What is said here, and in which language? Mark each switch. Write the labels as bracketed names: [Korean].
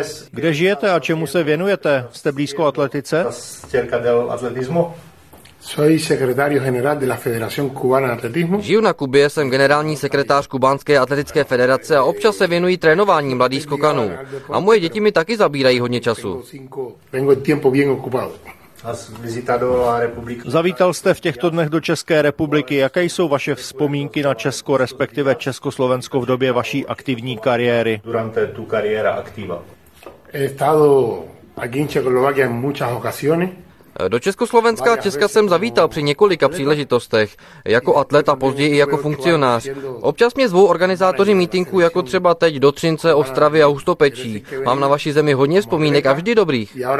[Czech] Kde žijete a čemu se věnujete? Jste blízko atletice? [Spanish] Soy secretario general de la Federación Cubana de Atletismo. [Czech] Žiju na Kubě, jsem generální sekretář kubánské atletické federace a občas se věnují trénování mladých skokanů. A moje děti mi taky zabírají hodně času. [Spanish] Tengo el tiempo bien ocupado. [Czech] Zavítal jste v těchto dnech do České republiky. Jaké jsou vaše vzpomínky na Česko, respektive Československo v době vaší aktivní kariéry? [Spanish] Durante tu carrera activa. He estado aquí en Checoslovaquia en muchas ocasiones. [Czech] Do Československa a Česka jsem zavítal při několika příležitostech, jako atlet a později i jako funkcionář. Občas mě zvou organizátoři mítinků, jako třeba teď do Třince, Ostravy a Hustopečí. Mám na vaší zemi hodně vzpomínek a vždy dobrých.